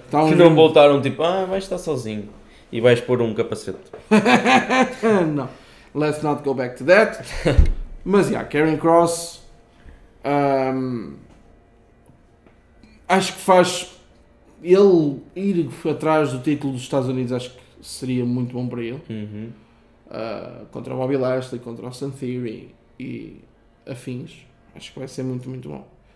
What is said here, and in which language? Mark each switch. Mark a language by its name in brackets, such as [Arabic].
[Portuguese] que não voltaram tipo, vais estar sozinho e vais pôr um capacete. Não, [English] let's not go back to that. [Portuguese] Mas, yeah, Karen Cross, acho que faz ele ir atrás do título dos Estados Unidos, acho que seria muito bom para ele. Uhum. Contra o Bobby Lashley, contra o Austin Theory e afins, acho que vai ser muito, muito bom.